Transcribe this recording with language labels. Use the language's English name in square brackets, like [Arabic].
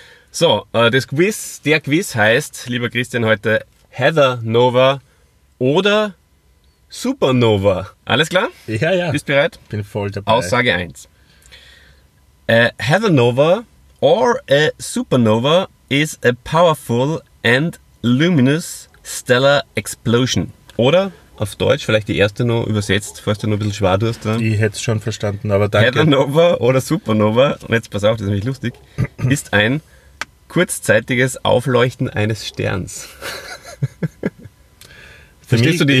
[German] So, der Quiz heißt, lieber Christian, heute Heather Noah oder Supernova. Alles klar? Ja, ja. Bist bereit? Bin voll dabei. Aussage 1. [English] Heather Noah or a supernova is a powerful and luminous stellar explosion. [German] Oder auf Deutsch, vielleicht die erste noch übersetzt, falls du noch ein bisschen schwer durst. Ich hätte es schon verstanden, aber danke. Heather Noah oder Supernova, und jetzt pass auf, das ist nämlich lustig, ist ein kurzzeitiges Aufleuchten eines Sterns. Verstehst du die?